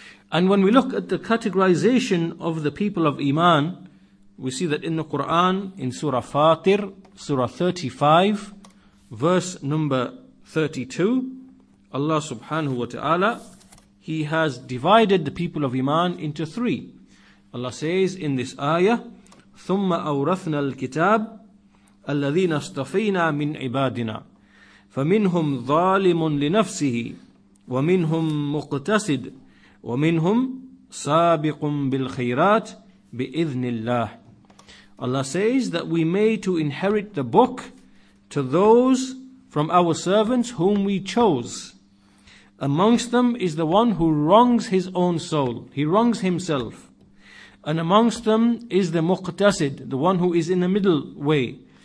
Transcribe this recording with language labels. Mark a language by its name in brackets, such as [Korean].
[English] And when we look at the categorization of the people of Iman, we see that in the Quran, in Surah Fatir, Surah 35, verse number 32, Allah subhanahu wa ta'ala, he has divided the people of Iman into three. Allah says in this ayah, [Arabic] ثُمَّ أَوْرَثْنَا الْكِتَابَ الَّذِينَ اصْطَفَيْنَا مِنْ عِبَادِنَا فَمِنْهُمْ ظَالِمٌ لِنَفْسِهِ وَمِنْهُمْ مُقْتَصِدٌ وَمِنْهُمْ سَابِقٌ بِالْخَيْرَاتِ بِإِذْنِ اللَّهِ. [English] Allah says that we made to inherit the book to those from our servants whom we chose. Amongst them is the one who wrongs his own soul. He wrongs himself. And amongst them is the muqtasid, the one who is in the middle way.